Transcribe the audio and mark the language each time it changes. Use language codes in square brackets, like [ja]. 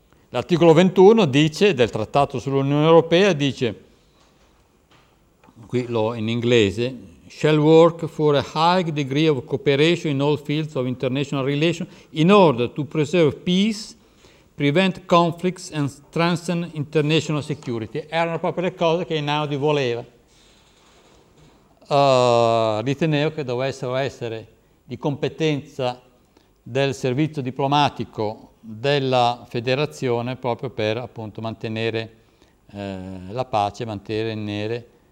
[it] L'articolo 21 dice, del Trattato sull'Unione Europea, dice. Qui l'ho in inglese, [en] shall work for a high degree of cooperation in all fields of international relations in order to preserve peace, prevent conflicts and strengthen international security. [it] Erano proprio le cose che Einaudi voleva. Ritenevo che dovessero essere di competenza del servizio diplomatico della federazione proprio per appunto mantenere la pace, mantenere